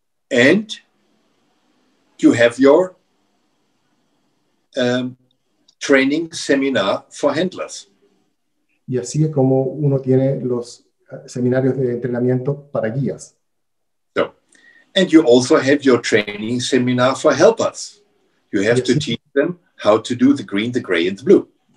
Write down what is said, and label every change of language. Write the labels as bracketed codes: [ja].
[en] And you have your training seminar for handlers. [es] Y así es como uno tiene los seminarios de entrenamiento para guías. [en] And you also have your training seminar for helpers. You have to teach them how to do the green, the gray, and the blue.